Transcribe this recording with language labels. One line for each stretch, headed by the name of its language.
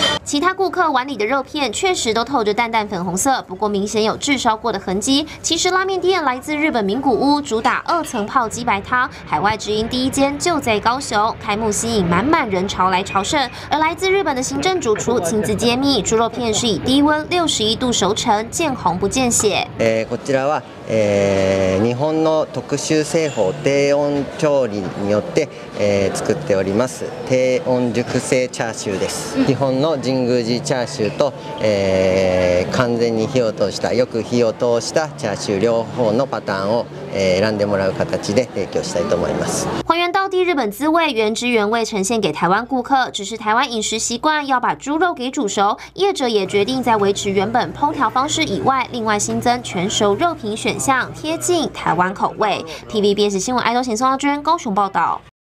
Chinese: 其他顾客碗里的肉片确实都透着淡淡粉红色，不过明显有炙烧过的痕迹。其实拉面店来自日本名古屋，主打二层泡鸡白汤，海外直营第一间就在高雄，开幕吸引满满人潮来朝圣。而来自日本的行政主厨亲自揭秘，猪肉片是以低温61度熟成，见红不见血。
Japanese: こちらは日本の特殊製法低温調理によって作っております低温熟成チャーシューです。日本の神宮寺チャーシューと完全に火を通したよく火を通したチャーシュー両方のパターンを選んでもらう形で提供したいと思います。
Chinese: 还原到底日本滋味，原汁原味呈现给台湾顾客，只是台湾饮食习惯要把猪肉给煮熟，业者也决定在维持原本烹调方式以外，另外新增全熟肉品选项，贴近台湾口味。 TVBS 新闻爱豆行宋耀娟高雄报道。